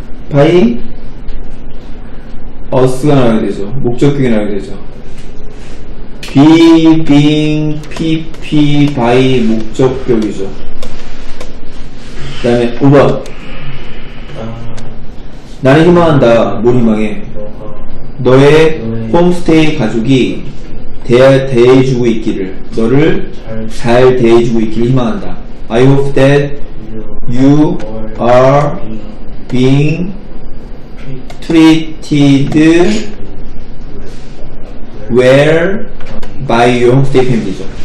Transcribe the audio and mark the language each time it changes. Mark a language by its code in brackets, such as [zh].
[en] by us [ko] 가 나와야 되죠. 목적격이 나와야 되죠. [en] be, being, pp, by [ko] 목적격이죠. 그 다음에 5번. 나는 희망한다. 뭘 희망해? 너의 홈스테이 가족이 대해주고 있기를, 너를 잘 대해주고 있기를 희망한다. [en] I hope that you are being treated well by your homestay family죠.